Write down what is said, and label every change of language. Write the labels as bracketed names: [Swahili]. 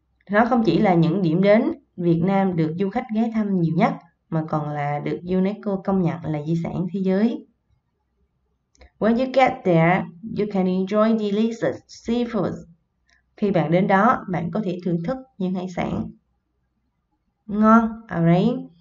[Vietnamese] Nó không chỉ là những điểm đến Việt Nam được du khách ghé thăm nhiều nhất, mà còn là được UNESCO công nhận là di sản thế giới. [English] When you get there, you can enjoy delicious seafood. [Vietnamese] Khi bạn đến đó, bạn có thể thưởng thức những hải sản ngon, alright?